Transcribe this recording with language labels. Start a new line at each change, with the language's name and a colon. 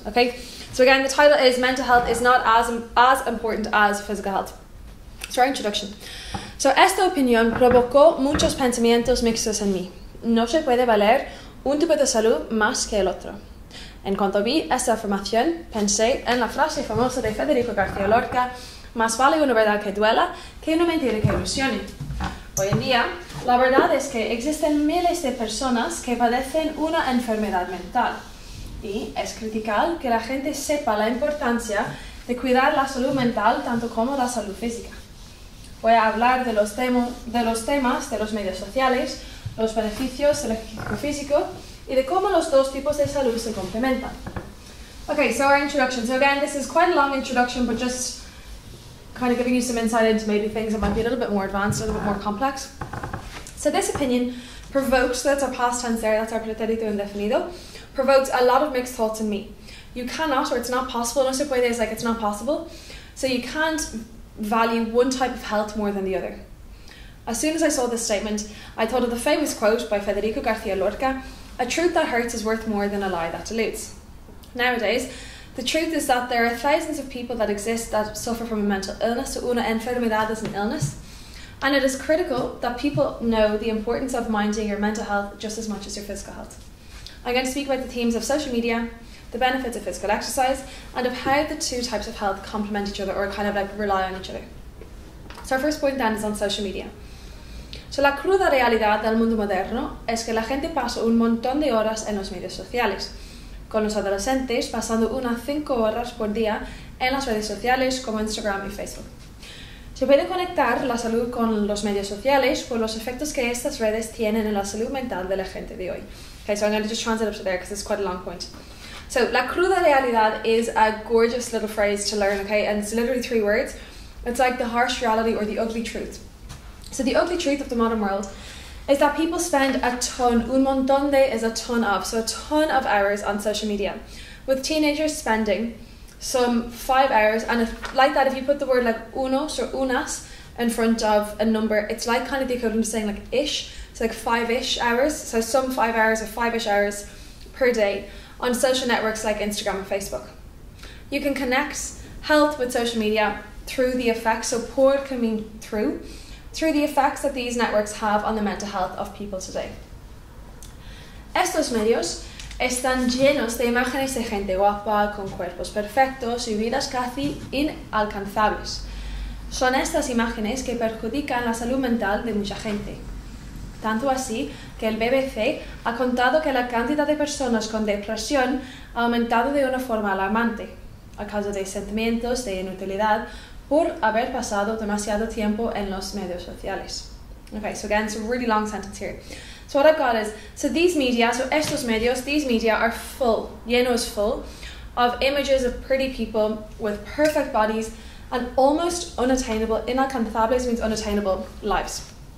English: Okay, so again, the title is Mental Health is Not as Important as Physical Health. So our introduction.
Spanish: So esta opinión provocó muchos pensamientos mixtos en mí. No se puede valer un tipo de salud más que el otro. En cuanto vi esta afirmación, pensé en la frase famosa de Federico García Lorca, más vale una verdad que duela que una mentira que ilusione. Hoy en día, la verdad es que existen miles de personas que padecen una enfermedad mental y es crucial que la gente sepa la importancia de cuidar la salud mental tanto como la salud física. Voy a hablar de los temas de los medios sociales, los beneficios del ejercicio físico, y de cómo los dos tipos de salud se complementan.
English: Okay, so our introduction. So again, this is quite a long introduction, but just kind of giving you some insight into maybe things that might be a little bit more advanced, a little bit more complex. So this opinion provoked, so that's our past tense there, that's our pretérito indefinido, provoked a lot of mixed thoughts in me. You cannot, or it's not possible,
Spanish: no se puede,
English: it's like it's not possible. So you can't value one type of health more than the other. As soon as I saw this statement, I thought of the famous quote by Federico García Lorca, "A truth that hurts is worth more than a lie that deludes." Nowadays, the truth is that there are thousands of people that exist that suffer from a mental illness, so
Spanish: una enfermedad
English: is an illness, and it is critical that people know the importance of minding your mental health just as much as your physical health. I'm going to speak about the themes of social media, the benefits of physical exercise, and of how the two types of health complement each other or kind of like rely on each other. So our first point then is on social media.
Spanish: So la cruda realidad del mundo moderno es que la gente pasa un montón de horas en los medios sociales, con los adolescentes pasando unas 5 horas por día en las redes sociales como Instagram y Facebook. Se puede conectar la salud con los medios sociales por los efectos que estas redes tienen en la salud mental de la gente de hoy.
English: Okay, so I'm going to just translate up to there because it's quite a long point. So
Spanish: la cruda realidad
English: is a gorgeous little phrase to learn, okay, and it's literally 3 words. It's like the harsh reality or the ugly truth. So the ugly truth of the modern world is that people spend a ton,
Spanish: un montón de
English: is a ton of, so a ton of hours on social media, with teenagers spending some 5 hours, and if, like that, if you put the word like unos or unas in front of a number, it's like kind of the equivalent of saying like ish. It's like five-ish hours. So some 5 hours or five-ish hours per day on social networks like Instagram and Facebook. You can connect health with social media through the effects. So poor can mean through the effects that these networks have on the mental health of people today.
Spanish: Estos medios están llenos de imágenes de gente guapa con cuerpos perfectos y vidas casi inalcanzables. Son estas imágenes que perjudican la salud mental de mucha gente. Tanto así que el BBC ha contado que la cantidad de personas con depresión ha aumentado de una forma alarmante, a causa de sentimientos de inutilidad por haber pasado demasiado tiempo en los medios sociales.
English: Okay, so again, it's a really long sentence here. So what I've got is, these media are full, llenos full, of images of pretty people with perfect bodies and almost unattainable, inalcanzables means unattainable, lives.